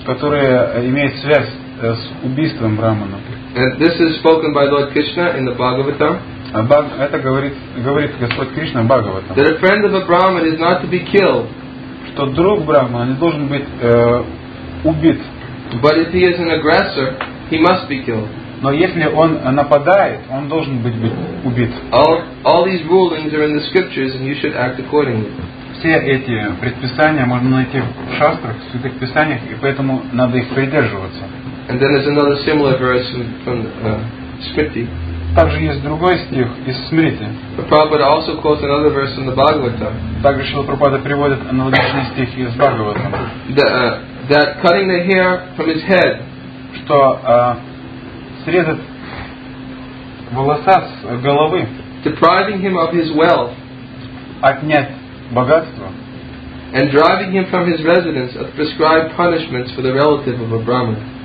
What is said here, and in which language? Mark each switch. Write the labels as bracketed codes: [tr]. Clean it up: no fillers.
[ru] которые имеют связь с убийством Брахмана. [en] And this is spoken by Lord Krishna in the Bhagavatam. [ru] Это говорит Господь Кришна в Бхагаватам. [en] That a friend of a Brahman is not to be killed. [ru] Что друг Брахмана не должен быть убит. [en] But if he is an aggressor, he must be killed. [ru] Но если он нападает, он должен быть убит. [en] All these rulings are in the scriptures, and you should act accordingly. [ru] Все эти предписания можно найти в шастрах, в святых писаниях, и поэтому надо их придерживаться. [en] And then there's another similar verse from Smriti. [ru] Также есть другой стих из Смрити. [en] Prabhupada also quotes another verse from the Bhagavatam. [ru] Также Шрила Прабхупада приводит аналогичный стих из Бхагавата. [en] That cutting the hair from his head, [ru] что срезать волоса с головы, [en] depriving him of his wealth, [ru] отнять богатство, [en] and driving him from his residence of prescribed punishments for the relative of a Brahmin,